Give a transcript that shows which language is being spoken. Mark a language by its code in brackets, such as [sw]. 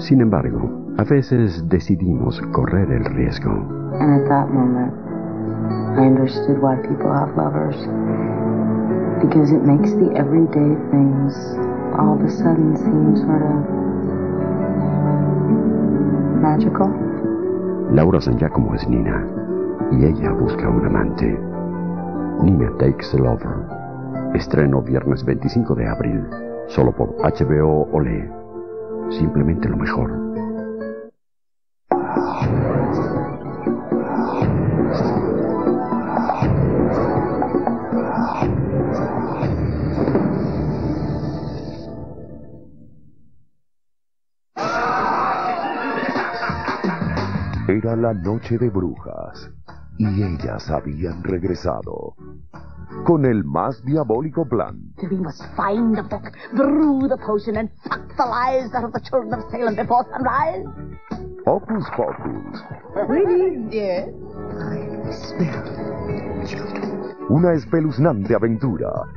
[es] Sin embargo, a veces decidimos correr el riesgo. [en] And at that moment, I understood why people have lovers. Because it makes the everyday things all of a sudden seem sort of magical. [es] Laura San Giacomo es Nina, y ella busca un amante. [en] Nina takes a lover. [es] Estreno viernes 25 de abril, solo por HBO Olé. Simplemente lo mejor. Era la noche de brujas, y ellas habían regresado. Con el más diabólico plan. [en] We must find the book, brew the potion, and suck the lives out of the children of Salem before sunrise. Hocus pocus. Really, dear? I smell children. [es] Una espeluznante aventura.